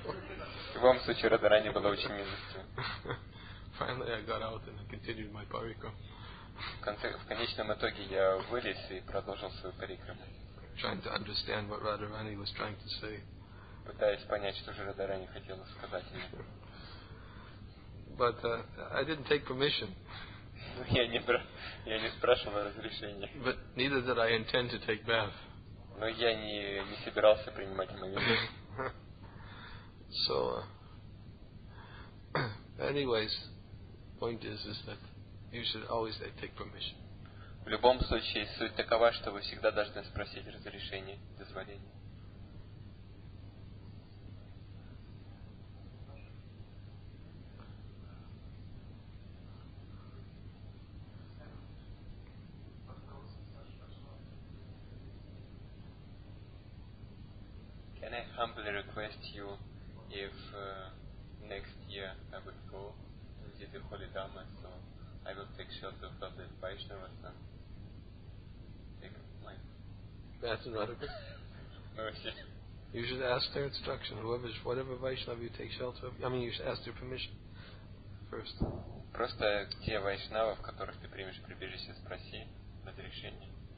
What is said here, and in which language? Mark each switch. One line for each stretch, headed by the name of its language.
Russian: В любом случае, Радхарани была очень милостью.
English: Finally, I got out and I continued my парикрам.
Russian: В конечном итоге я вылез и продолжил свою парикраму.
English: Trying to understand what Radharani was trying to say.
Russian: Пытаясь понять, что же Радхарани хотела сказать мне.
English: But I didn't take permission.
Russian: Я не спрашивал разрешения.
English: But neither did I intend to take bath.
Russian: Но я не собирался принимать омовение.
English: So, anyways, point is that you should always take permission.
Russian: В любом случае, суть такова, что вы всегда должны спросить разрешение, дозволение.
English: Can I humbly request you if next year I will go to visit the Holy Dhamma, so I will take shelter of the Vaishnavas and take my bath in Radhakund? You should ask their instruction, whatever Vaishnava you take shelter of, I mean you should ask their permission first.
Russian: Просто те Вайшнавы, в которых ты примешь прибежище, спроси разрешение.